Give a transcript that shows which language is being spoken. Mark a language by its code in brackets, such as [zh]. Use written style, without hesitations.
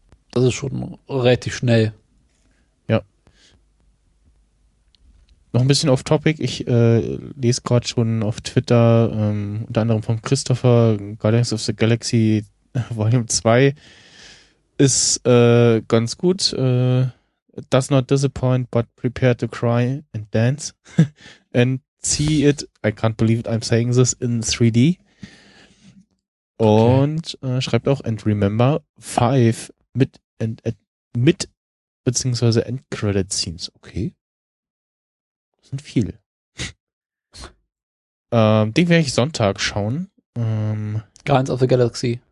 [de] Das ist schon relativ schnell. Ja. Noch ein bisschen off topic. Ich lese gerade schon auf Twitter, unter anderem von Christopher, Guardians of the Galaxy Volume 2 ist ganz gut. [en] Does not disappoint, but prepare to cry and dance. And see it, I can't believe it, I'm saying this, in 3D. Okay. [de] Und schreibt auch, [en] and remember, [de] 5 mit mit beziehungsweise Endcredit Scenes. Okay. Das sind viel. den werde ich Sonntag schauen. Guardians of the Galaxy.